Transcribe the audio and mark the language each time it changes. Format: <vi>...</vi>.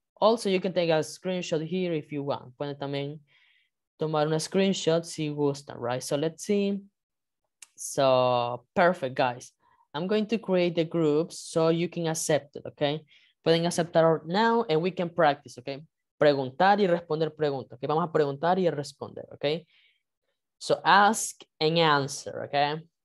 <en>Also, you can take a screenshot here if you want.</en> <es>Pueden también tomar una screenshot si gustan, right?</es> <en>So let's see. So perfect, guys. I'm going to create the groups so you can accept it, okay?</en> <es>Pueden aceptar</es> <en>now and we can practice, okay?</en> <es>Preguntar y responder preguntas. Okay, vamos a preguntar y a responder, okay?</es> <en>So ask and answer,</en> <es>okay?</es>